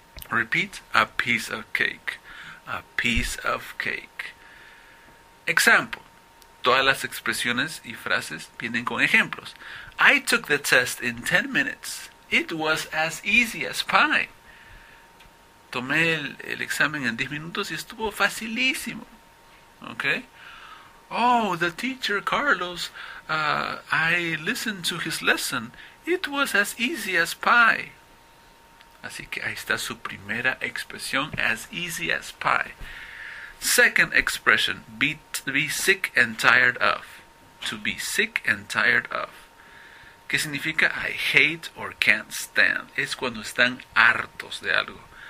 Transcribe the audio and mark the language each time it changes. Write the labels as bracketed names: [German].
[English] Repeat. A piece of cake. A piece of cake. Example. [Spanish] Todas las expresiones y frases vienen con ejemplos. [English] I took the test in 10 minutes. It was as easy as pie. [Spanish] Tomé el examen en 10 minutos y estuvo facilísimo. [English] Okay. Oh, the teacher Carlos, I listened to his lesson. It was as easy as pie. [Spanish] Así que ahí está su primera expresión, [English] as easy as pie. Second expression, be sick and tired of. To be sick and tired of. [Spanish] ¿Qué significa? [English] I hate or can't stand. [Spanish] Es cuando están hartos de algo.